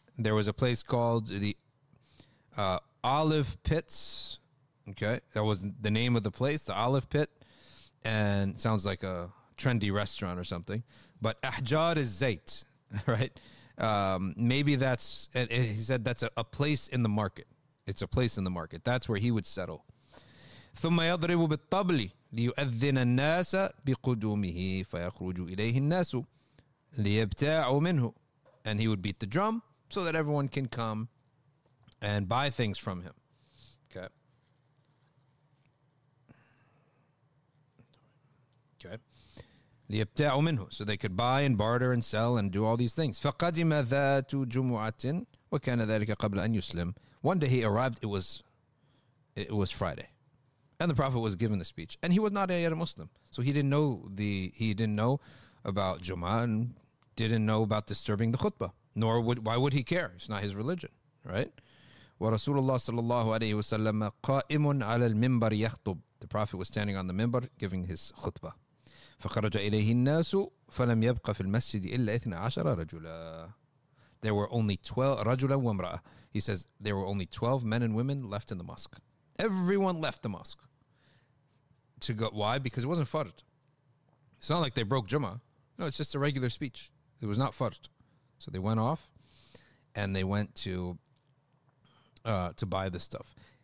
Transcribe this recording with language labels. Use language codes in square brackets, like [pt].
[en] There was a place called the Olive Pits. Okay, that was the name of the place, the Olive Pit. And sounds like a trendy restaurant or something. But [ar] أَحْجَارِ الزَّيْتِ, [en] right? Maybe that's, and he said that's a place in the market. It's a place in the market. That's where he would settle. [ar] ثم يضرب بالطبل ليؤذن الناس بقدومه فيخرج إليه الناس ليبتاعوا منه. [en] And he would beat the drum so that everyone can come and buy things from him. [ar] ليبتاعوا منه. [en] So they could buy and barter and sell and do all these things. [ar] فقدم ذات جمعة وكان ذلك قبل أن يسلم. [en] One day he arrived, it was Friday. And the Prophet was giving the speech. And he was not yet a Muslim. So he didn't know about Jum'ah and didn't know about disturbing the khutbah. Why would he care? It's not his religion, right? [ar] ورسول الله صلى الله عليه وسلم قائم على المنبر يخطب. [en] The Prophet was standing on the minbar giving his khutbah. [ar] فخرج إليه الناس فلم يبق في المسجد إلا 12 رجلا. [en] There were only 12 [ar] رجلا وامرأة. [en] He says there were only 12 men and women left in the mosque. Everyone left the mosque to go. Why? Because it wasn't fard. It's not like they broke Jummah. No, it's just a regular speech. It was not fard. So they went off and they went to buy the stuff.